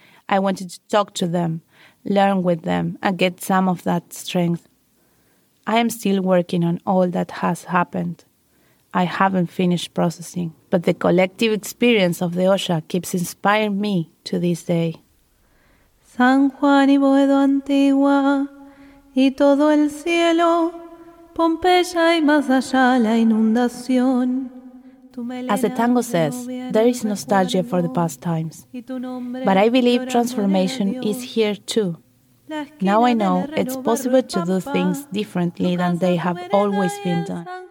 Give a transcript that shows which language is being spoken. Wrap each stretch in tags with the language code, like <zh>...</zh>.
<en>I wanted to talk to them, learn with them, and get some of that strength. I am still working on all that has happened. I haven't finished processing, but the collective experience of the olla keeps inspiring me to this day.</en> <es>San Juan y Boedo Antigua y todo el cielo, Pompeya y más allá la inundación.</es> <en>As the tango says, there is nostalgia for the past times. But I believe transformation is here too. Now I know it's possible to do things differently than they have always been done.</en>